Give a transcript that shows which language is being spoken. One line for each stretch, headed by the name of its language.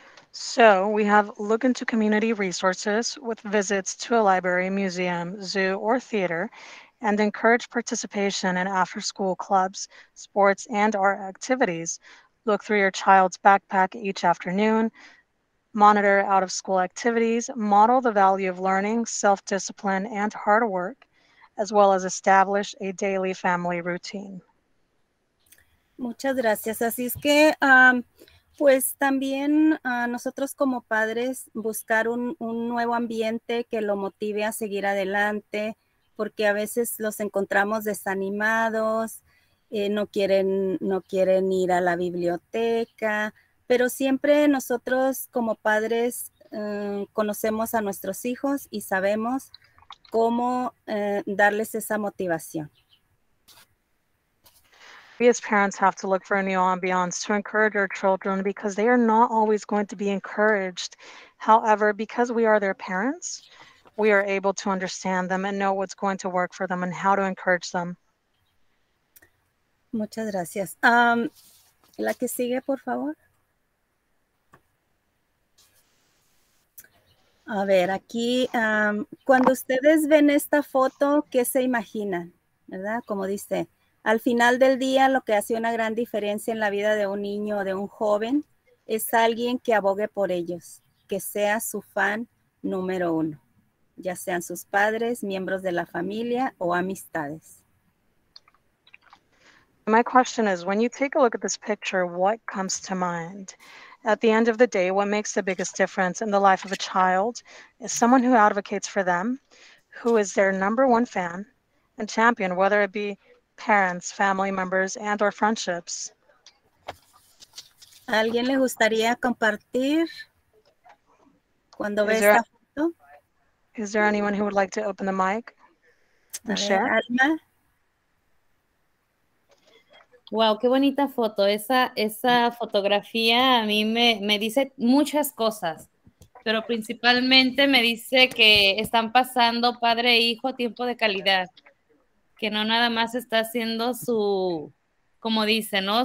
English: So we have look into community resources with visits to a library, museum, zoo, or theater, and encourage participation in after-school clubs, sports, and art activities. Look through your child's backpack each afternoon, monitor out-of-school activities, model the value of learning, self-discipline, and hard work, as well as establish a daily family routine.
Spanish: Muchas gracias. Así es que... pues también nosotros como padres buscar un nuevo ambiente que lo motive a seguir adelante, porque a veces los encontramos desanimados, no quieren ir a la biblioteca, pero siempre nosotros como padres conocemos a nuestros hijos y sabemos cómo darles esa motivación. We as parents have to look for a new ambiance to encourage our children because they are not always going to be encouraged. However, because we are their parents, we are able to understand them and know what's going to work for them and how to encourage them. Muchas gracias. La que sigue, por favor. A ver, aquí, cuando ustedes ven esta foto, ¿qué se imaginan? ¿Verdad? Como dice... Al final del día, lo que hace una gran diferencia en la vida de un niño o de un joven es alguien que abogue por ellos, que sea su fan número uno, ya sean sus padres, miembros de la familia o amistades.
English: My question is, when you take a look at this picture, what comes to mind? At the end of the day, what makes the biggest difference in the life of a child is someone who advocates for them, who is their number one fan and champion, whether it be parents, family members, and or friendships.
Spanish: ¿Alguien le gustaría compartir cuando ve esta foto?
English: Is there anyone who would like to open the mic and share?
Spanish: Alma. Wow, qué bonita foto. Esa fotografía a mí me dice muchas cosas, pero principalmente me dice que están pasando padre e hijo tiempo de calidad. Que no nada más está haciendo su, como dice, ¿no?